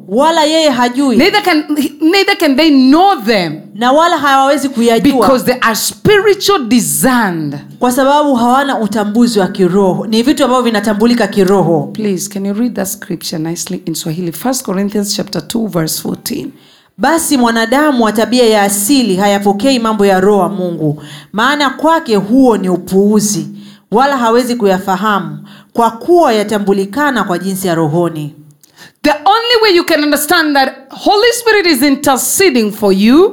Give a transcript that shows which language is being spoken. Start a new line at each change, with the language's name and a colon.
Swahili: Wala yeye hajui.
English: Neither can they know them.
Swahili: Na wala hawawezi kuyajua.
English: Because they are spiritual discerned.
Swahili: Kwa sababu hawana utambuzi wa kiroho. Ni vitu ambavyo vinatambulika kiroho.
English: Please, can you read that scripture nicely in Swahili? 1 Corinthians chapter 2 verse 14.
Swahili: Basi mwanadamu wa tabia ya asili hayapokei mambo ya roho wa Mungu. Maana kwake huo ni upuuzi. Wala hawezi kuyafahamu. Kwa kuwa yatambulikana kwa jinsi ya rohoni.
English: The only way you can understand that Holy Spirit is interceding for you.